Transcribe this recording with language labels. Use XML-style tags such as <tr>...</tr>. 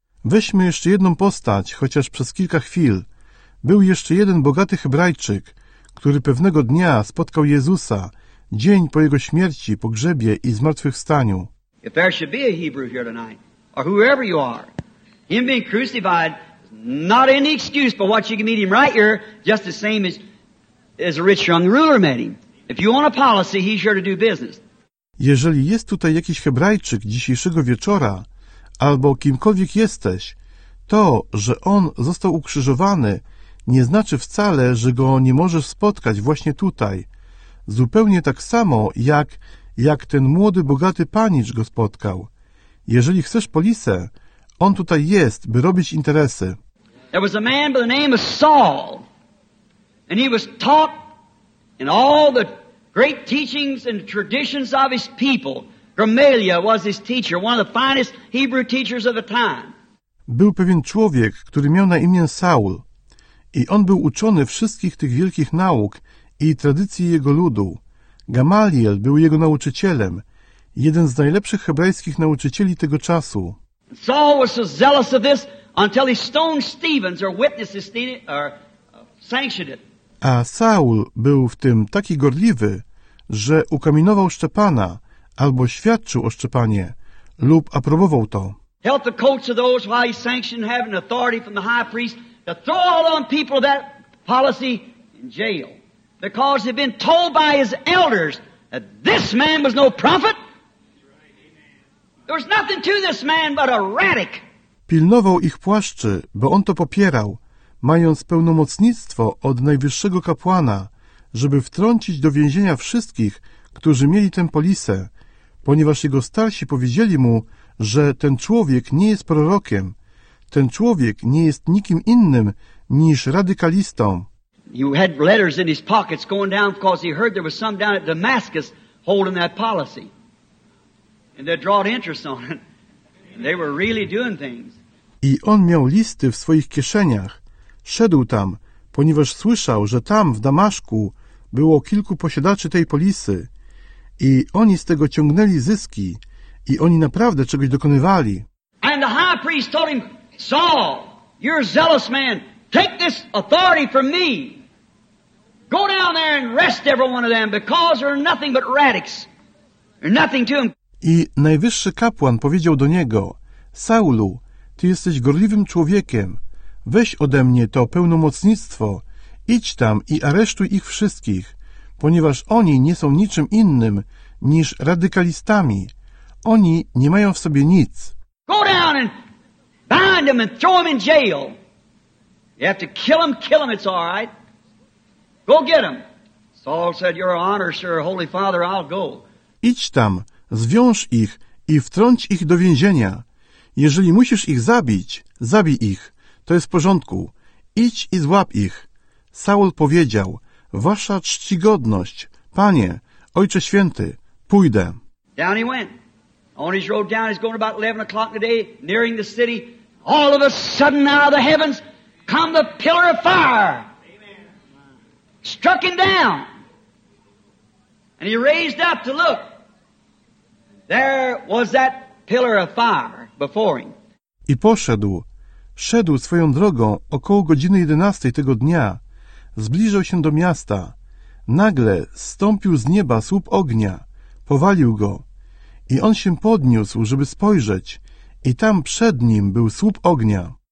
<pl>Weźmy jeszcze jedną postać, chociaż przez kilka chwil. Był jeszcze jeden bogaty Hebrajczyk, który pewnego dnia spotkał Jezusa, dzień po jego śmierci, pogrzebie i zmartwychwstaniu.</pl> <en>If there should be a Hebrew here tonight, or whoever you are, him being crucified is not any excuse for what you can meet him right here, just the same as a rich young ruler met him. If you want a policy, he's here to do business.</en> <pl>Jeżeli jest tutaj jakiś Hebrajczyk dzisiejszego wieczora, albo kimkolwiek jesteś, to, że On został ukrzyżowany, nie znaczy wcale, że Go nie możesz spotkać właśnie tutaj. Zupełnie tak samo, jak ten młody, bogaty panicz Go spotkał. Jeżeli chcesz polisę, On tutaj jest, by robić interesy.</pl> <en>There was a man by the name of Saul, and he was taught in all the great teachings and traditions of his people. Gamaliel was his teacher, one of the finest Hebrew teachers of the time.</en> <pl>Był pewien człowiek, który miał na imię Saul, i on był uczony wszystkich tych wielkich nauk i tradycji jego ludu. Gamaliel był jego nauczycielem, jeden z najlepszych hebrajskich nauczycieli tego czasu.</pl> <en>Saul was so zealous of this until he stoned Stephen, or witnesses or sanctioned it.</en> <pl>A Saul był w tym taki gorliwy, że ukamienował Szczepana, albo świadczył o Szczepanie, lub aprobował to.</pl> <en>Held the coats of those while he sanctioned having authority from the high priest to throw all on people of that policy in jail, because they've been told by his elders that this man was no prophet. There was nothing to this man but a radic.</en> <pl>Pilnował ich płaszczy, bo on to popierał, mając pełnomocnictwo od najwyższego kapłana, żeby wtrącić do więzienia wszystkich, którzy mieli tę polisę, ponieważ jego starsi powiedzieli mu, że ten człowiek nie jest prorokiem, ten człowiek nie jest nikim innym niż radykalistą.</pl> <en>You had letters in his pockets going down because he heard there was some down at Damascus holding that policy. And they drawed interest on it. They were really doing things.</en> <pl>I on miał listy w swoich kieszeniach. Szedł tam, ponieważ słyszał, że tam w Damaszku było kilku posiadaczy tej polisy. I oni z tego ciągnęli zyski. I oni naprawdę czegoś dokonywali.</pl> <en>And the high priest told him, Saul, you're a zealous man. Take this authority from me. Go down there and arrest every one of them, because they're nothing but radics. They're nothing to them.</en> <pl>I najwyższy kapłan powiedział do niego, Saulu, ty jesteś gorliwym człowiekiem, weź ode mnie to pełnomocnictwo, idź tam i aresztuj ich wszystkich, ponieważ oni nie są niczym innym niż radykalistami, oni nie mają w sobie nic.</pl> <en>Go down and bind them and throw them in jail. You have to kill them, it's all right. Go get them. Saul said, your honor, sir, holy father, I'll go.</en> <pl>Idź tam. Zwiąż ich i wtrąć ich do więzienia. Jeżeli musisz ich zabić, zabij ich. To jest w porządku. Idź i złap ich. Saul powiedział, wasza czcigodność, panie, ojcze święty, pójdę.</pl> <en>Down he went. On his road down, he's going about 11 o'clock in the day, nearing the city. All of a sudden out of the heavens come the pillar of fire. Struck him down. And he raised up to look. There was that pillar of fire before him.</en> <pl>I poszedł. Szedł swoją drogą około godziny 11 tego dnia. Zbliżał się do miasta. Nagle zstąpił z nieba słup ognia. Powalił go. I on się podniósł, żeby spojrzeć. I tam przed nim był słup ognia.</pl>